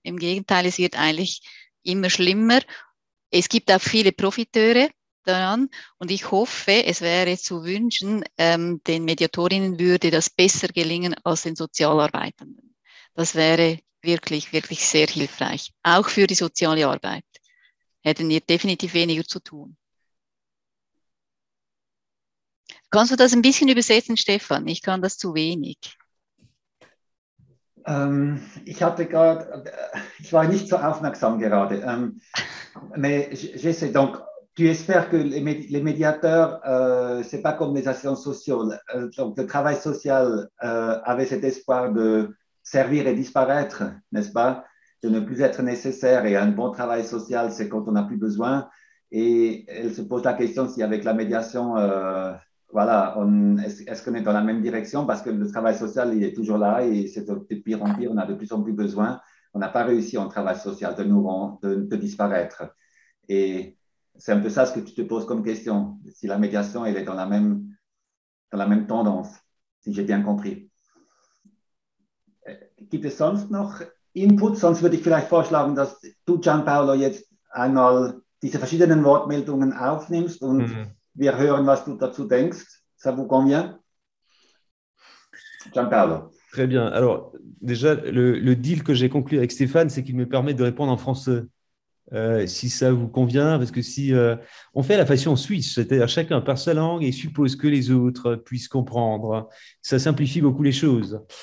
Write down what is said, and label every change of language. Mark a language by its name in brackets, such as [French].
[German] Im Gegenteil, es wird eigentlich immer schlimmer. Es gibt auch viele Profiteure daran und ich hoffe, es wäre zu wünschen, den Mediatorinnen würde das besser gelingen als den Sozialarbeitenden. Das wäre wirklich, wirklich sehr hilfreich, auch für die soziale Arbeit. Hätten wir definitiv weniger zu tun. Kannst du das ein bisschen übersetzen, Stefan? Ich kann das zu wenig. [French] Je n'étais pas très aufmerksam gerade. Mais j'essaie. Donc, tu espères que les médiateurs, ce n'est pas comme les assistants sociaux. Donc, le travail social avait cet espoir de servir et disparaître, n'est-ce pas? De ne plus être nécessaire. Et un bon travail social, c'est quand on n'a plus besoin. Et elle se pose la question si, avec la médiation, est-ce qu'on est dans la même direction? Parce que le travail social, il est toujours là et c'est de pire en pire, on a de plus en plus besoin. On n'a pas réussi en travail social de nous rendre, de disparaître. Et c'est un peu ça ce que tu te poses comme question, si la médiation, elle est dans la même tendance, si j'ai bien compris. [German] Gibt es sonst noch Input? Sonst würde ich vielleicht vorschlagen, dass du, Gianpaolo, jetzt einmal diese verschiedenen Wortmeldungen aufnimmst und wir hören, was du dazu denkst. [French] Ça vous convient? Gianpaolo. Très bien. Alors, déjà, le deal que j'ai conclu avec Stéphane, c'est qu'il me permet de répondre en français. Si ça vous convient, parce que si on fait à la façon suisse, c'est-à-dire chacun parle sa langue et suppose que les autres puissent comprendre, ça simplifie beaucoup les choses.